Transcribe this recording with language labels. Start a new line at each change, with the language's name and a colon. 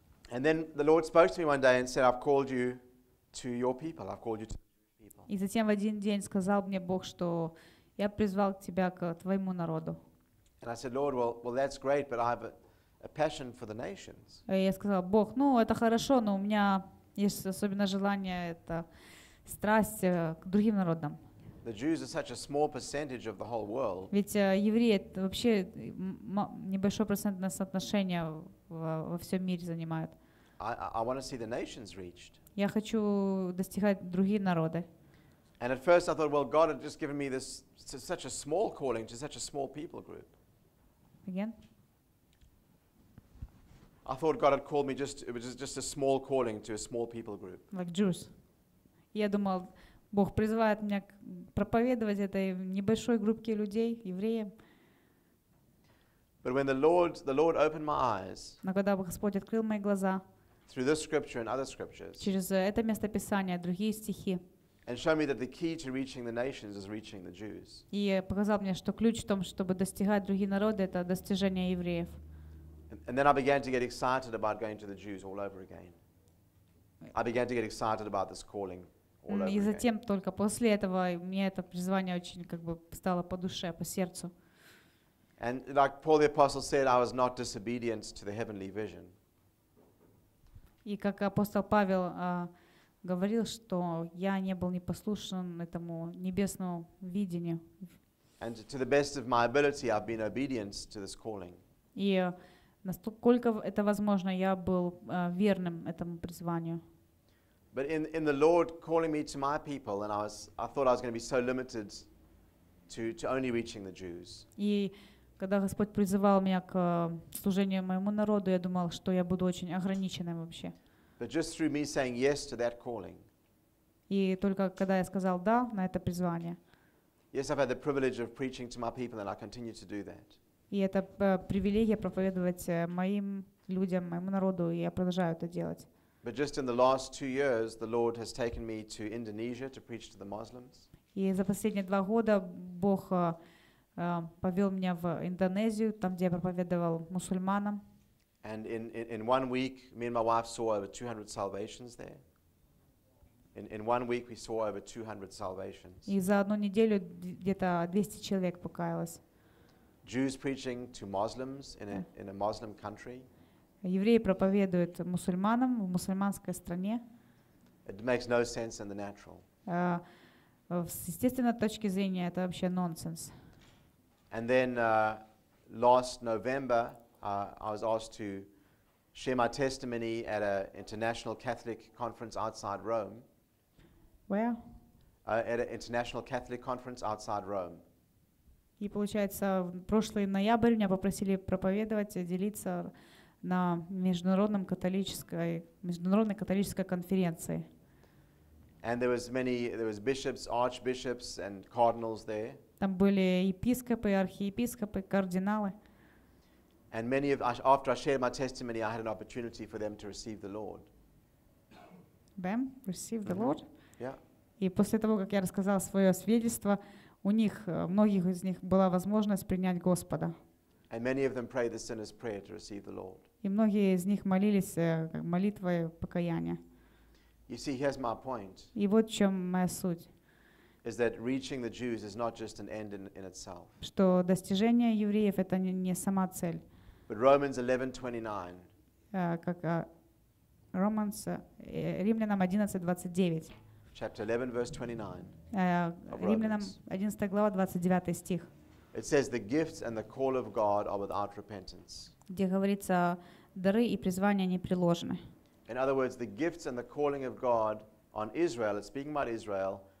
English: And then the Lord spoke to me one day and said, I've called you to your people. I've called you to the Jewish people.
Russian: И затем в один день сказал мне Бог, что я призвал тебя к твоему народу.
English: And I said, Lord, well that's great, but I have a passion for the nations.
Russian: И я сказал, Бог, ну это хорошо, но у меня есть особенно желание, это страсть к другим народам.
English: The Jews are such a small percentage of the whole world.
Russian: Ведь евреи это вообще небольшое процентное соотношение во всем мире занимают.
English: I want to see the nations reached.
Russian: Я хочу достигать другие народы.
English: And at first I thought, well, God had just given me this such a small calling to such a small people group. Again. I thought God had called me just a small calling to a small people group. Like Jews.
Russian: Я думал, Бог призывает меня проповедовать этой небольшой группке людей, евреям.
English: But when the Lord opened my eyes.
Russian: Но когда Господь открыл мои глаза.
English: Through this scripture and other scriptures.
Russian: Через это место Писания, другие стихи.
English: And show me that the key to reaching the nations is reaching the Jews.
Russian: И показал мне, что ключ в том, чтобы достигать другие народы, это достижение евреев.
English: And then I began to get excited about going to the Jews all over again. I began to get excited about this calling all over again.
Russian: И затем только после этого мне это призвание очень как бы стало по душе, по сердцу.
English: And like Paul the apostle said, I was not disobedient to the heavenly vision.
Russian: И как апостол Павел говорил, что я не был непослушен этому небесному видению.
English: And to the best of my ability, I've been obedient to this calling.
Russian: И насколько это возможно, я был верным этому призванию.
English: But in the Lord calling me to my people, and I thought I was going to be so limited to only reaching the Jews.
Russian: И когда Господь призывал меня к служению моему народу, я думал, что я буду очень ограниченным вообще.
English: But just through me saying yes to that calling.
Russian: И только когда я сказал да на это призвание.
English: Yes, I've had the privilege of preaching to my people, and I continue to do that.
Russian: И это привилегия проповедовать моим людям, моему народу, и я продолжаю это делать.
English: But just in the last 2 years, the Lord has taken me to Indonesia to preach to the Muslims.
Russian: И за последние 2 года Бог повел меня в Индонезию, там, где я проповедовал мусульманам.
English: And in 1 week, me and my wife saw over 200 salvations there. In 1 week, we saw over 200 salvations.
Russian: И за одну неделю где-то 200 человек покаялось.
English: Jews preaching to Muslims in a Muslim country.
Russian: Евреи проповедуют мусульманам в мусульманской стране.
English: It makes no sense in the natural.
Russian: С естественной точки зрения это вообще нонсенс.
English: And then last November. I was asked to share my testimony at an international Catholic conference outside Rome. Where? At an international Catholic conference outside Rome.
Russian: И получается, в прошлый ноябрь меня попросили проповедовать, делиться на международной католической конференции.
English: And there was bishops, archbishops, and cardinals there.
Russian: Там были епископы, архиепископы, кардиналы.
English: And many of after I shared my testimony, I had an opportunity for them to receive the Lord. Them receive the Lord. Yeah.
Russian: И после того, как я рассказал свое свидетельство, у них многих из них была возможность принять Господа.
English: And many of them prayed the sinner's prayer to receive the Lord.
Russian: И многие из них молились молитвой покаяния.
English: You see, here's my point.
Russian: И вот в чем моя суть.
English: Is that reaching the Jews is not just an end in itself.
Russian: Что достижение евреев это не сама цель.
English: But Romans 11:29.
Russian: Как Romans Римлянам 11:29.
English: Chapter 11 verse 29.
Russian: Римлянам 11 глава 29 стих.
English: It says the gifts and the call of God are without repentance.
Russian: Где говорится дары и призвание не приложены.
English: In other words, the gifts and the calling of God on Israel, it's speaking about Israel.